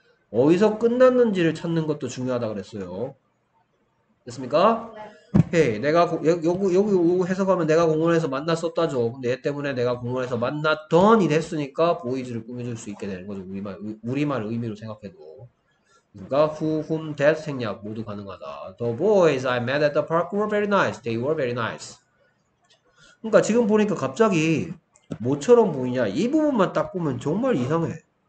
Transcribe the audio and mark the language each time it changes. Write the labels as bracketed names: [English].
[Korean] 어디서 끝났는지를 찾는 것도 중요하다 그랬어요. 됐습니까? 헤이 내가 여기 해석하면 내가 공원에서 만났었다죠. 근데 얘 때문에 내가 공원에서 만났더니 됐으니까 보이즈를 꾸며줄 수 있게 되는 거죠. 우리말 의미로 생각해도 그러니까 후, 훔, 댓 생략 모두 가능하다. [English] The boys I met at the park were very nice. They were very nice. [Korean] 그러니까 지금 보니까 갑자기 뭐처럼 보이냐 이 부분만 딱 보면 정말 이상해.